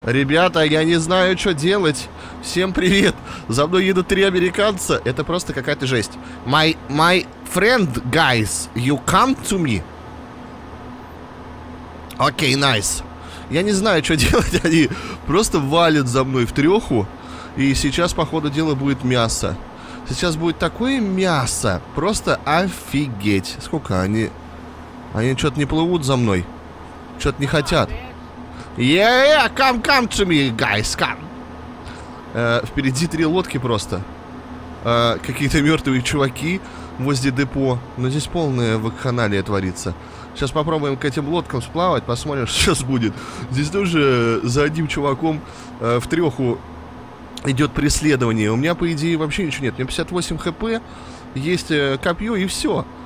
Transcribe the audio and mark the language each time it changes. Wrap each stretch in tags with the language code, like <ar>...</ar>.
<ru>Ребята, я не знаю, что делать. Всем привет. За мной едут три американца. Это просто какая-то жесть.</ru> <en>My friend, guys, you come to me.</en> <ru>Окей, nice. Я не знаю, что делать. Они просто валят за мной в треху. И сейчас, по ходу дела, будет мясо. Сейчас будет такое мясо. Просто офигеть. Сколько они... Они что-то не плывут за мной. Что-то не хотят.</ru> <en>Yeah, come to me, guys, come.</en> <ru>Впереди три лодки просто. Какие-то мертвые чуваки возле депо. Но здесь полное вакханалия творится. Сейчас попробуем к этим лодкам сплавать. Посмотрим, что сейчас будет. Здесь тоже за одним чуваком в треху идет преследование. У меня, по идее, вообще ничего нет. У меня 58 хп, есть копье и все.</ru>